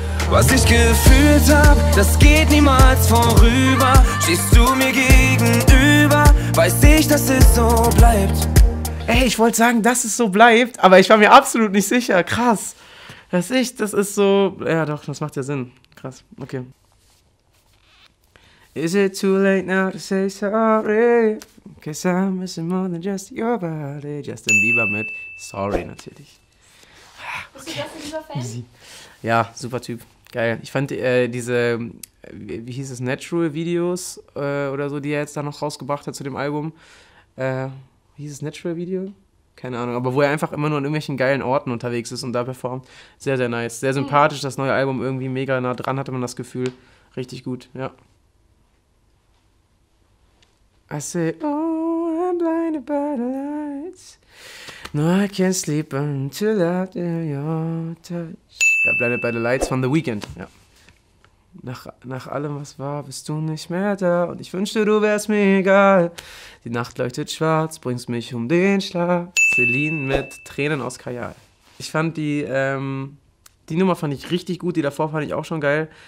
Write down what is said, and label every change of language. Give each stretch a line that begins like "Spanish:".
German: Was ich gefühlt hab, das geht niemals vorüber. Stehst du mir gegenüber, weiß ich, dass es so bleibt. Ey, ich wollte sagen, dass es so bleibt, aber ich war mir absolut nicht sicher. Krass. Weiß ich, das ist so. Ja, doch, das macht ja Sinn. Krass, okay.
English: Is it too late now to say sorry? Cause I'm missing more than just your body.
German: Justin Bieber mit Sorry natürlich. Okay. Bist du Justin Bieber Fan? Ja, super Typ. Geil. Ich fand diese, wie hieß es, Natural Videos oder so, die er jetzt da noch rausgebracht hat zu dem Album. Wie hieß es, Natural Video? Keine Ahnung, aber wo er einfach immer nur an irgendwelchen geilen Orten unterwegs ist und da performt. Sehr, sehr nice. Sehr sympathisch, das neue Album irgendwie mega nah dran, hatte man das Gefühl. Richtig gut, ja.
English: I say, oh, I'm blinded by the lights. No, I can't sleep until after your touch.
German: Ja, blinded by the lights von The Weeknd. Ja. Nach allem, was war, bist du nicht mehr da. Und ich wünschte, du wärst mir egal. Die Nacht leuchtet schwarz, bringst mich um den Schlaf. Celine mit Tränen aus Kajal. Ich fand die Nummer fand ich richtig gut. Die davor fand ich auch schon geil.